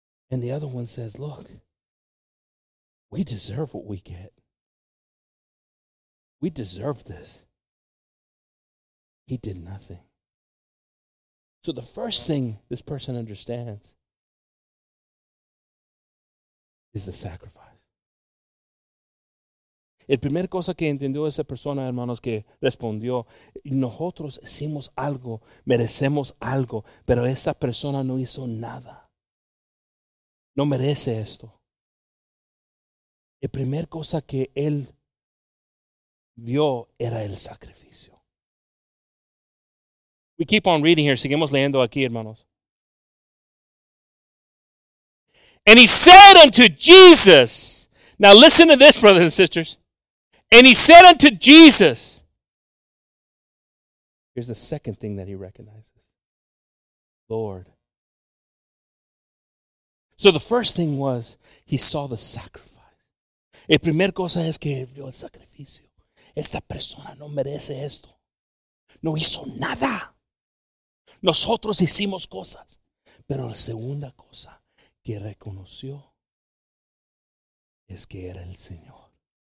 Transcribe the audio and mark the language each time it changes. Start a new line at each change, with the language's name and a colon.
English: And the other one says, look, we deserve what we get. We deserve this. He did nothing. So the first thing this person understands is the sacrifice.
Spanish: El primer cosa que entendió esa persona, hermanos, que respondió, nosotros hicimos algo, merecemos algo, pero esa persona no hizo nada. No merece esto. La primera cosa que él vio era el sacrificio.
English: We keep on reading here.
Spanish: Seguimos leyendo aquí, hermanos.
English: And he said unto Jesus. Now listen to this, brothers and sisters. And he said unto Jesus. Here's the second thing that he recognizes. Lord. So the first thing was he saw the sacrifice.
Spanish: El primer cosa es que vio el sacrificio. Esta persona no merece esto. No hizo nada. Nosotros hicimos cosas. Pero la segunda cosa que reconoció es que era el Señor.